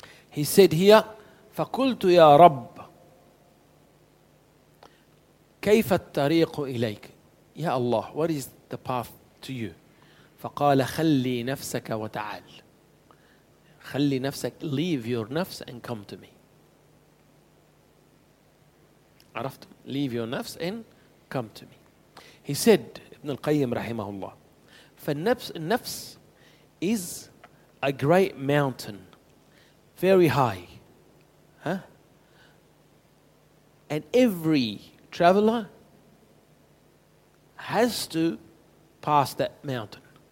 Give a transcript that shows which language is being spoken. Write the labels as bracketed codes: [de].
[en] He said here, [ar] فقلت يا رب كيف الطريق إليك يا الله [en] what is the path to you [ar] فقال خلي نفسك وتعال خلي نفسك [en] leave your nafs and come to me [ar] عرفت [en] leave your nafs and come to me he said [ar] ابن القيم رحمه الله فالنفس النفس [en] is a great mountain very high And every traveler has to pass that mountain,